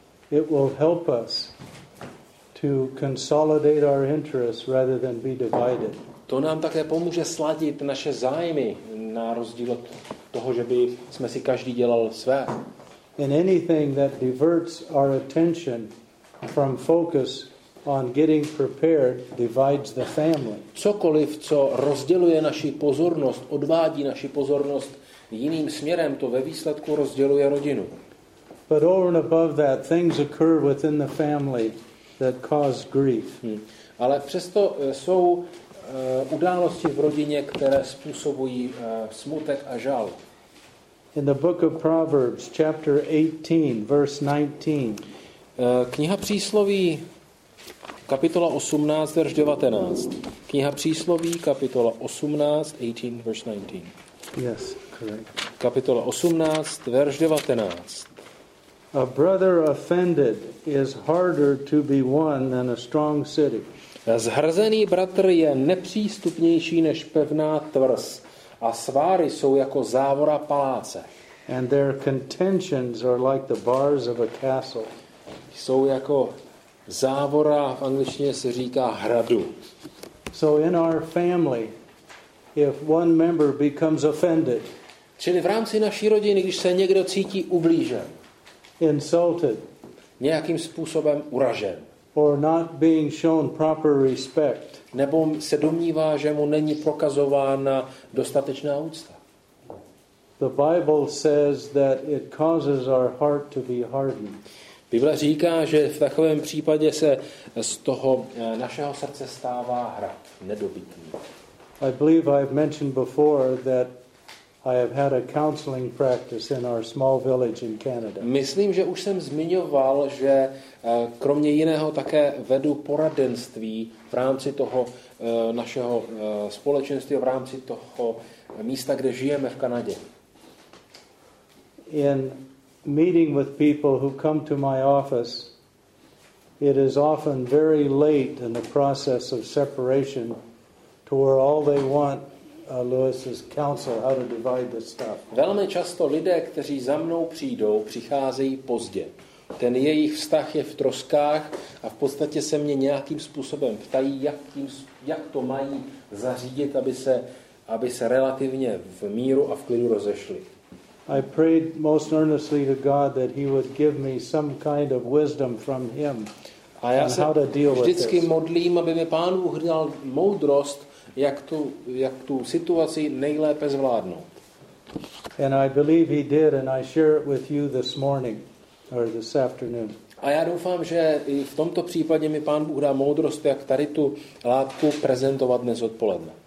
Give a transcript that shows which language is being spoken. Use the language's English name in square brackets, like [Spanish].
[English] It will help us to consolidate our interests rather than be divided. [Czech] To nám také pomůže sladit naše zájmy na rozdíl od toho, že by jsme si každý dělal své. [English] In anything that diverts our attention from focus on getting prepared divides the family. [Czech] Cokoliv, co rozděluje naši pozornost, odvádí naši pozornost jiným směrem, to ve výsledku rozděluje rodinu. [English] But over and above that, things occur within the family that cause grief. [Czech] Ale přesto jsou události v rodině, které způsobují smutek a žal. [English] In the book of Proverbs, chapter 18, verse 19. [Czech] Kniha přísloví, kapitola 18, verš 19. Kniha přísloví, kapitola 18, 18, verš 19. [English] Yes, correct. [Czech] Kapitola 18, verš 19. [English] A brother offended is harder to be won than a strong city. [Czech] Zhrzený bratr je nepřístupnější než pevná tvrz a sváry jsou jako závora paláce. [English] And their contentions are like the bars of a castle. [Czech] Jsou jako závora, v angličtině se říká hradu. [English] So in our family, if one member becomes offended, [Czech] čili v rámci naší rodiny, když se někdo cítí ublížen, [English] insulted, [Czech] nějakým způsobem uražen, [English] or not being shown proper respect, [Czech] nebo se domnívá, že mu není prokazována dostatečná úcta. [English] The Bible says that it causes our heart to be hardened. [Czech] Bible říká, že v takovém případě se z toho našeho srdce stává hrad nedobytný. [English] I believe I've mentioned before that I have had a counseling practice in our small village in Canada. [Czech] Myslím, že už jsem zmiňoval, že kromě jiného také vedu poradenství v rámci toho našeho společenství, v rámci toho místa, kde žijeme v Kanadě. [English] In meeting with people who come to my office, it is often very late in the process of separation to where all they want Lewis's counsel how to divide the stuff. [Czech] Velmi často lidé, kteří za mnou přijdou, přicházejí pozdě. Ten jejich vztah je v troskách a v podstatě se mě nějakým způsobem ptají, jak to mají zařídit, aby se relativně v míru a v klidu rozešli. [English] I prayed most earnestly to God that he would give me some kind of wisdom from him. [Czech] A já se vždycky modlím, aby mi Pán Bůh dal moudrost, jak tu situaci nejlépe zvládnout. [English] And I believe he did, and I share it with you this morning or this afternoon. [Czech] A já doufám, že i v tomto případě mi Pán Bůh dá moudrost, jak tady tu látku prezentovat dnes odpoledne.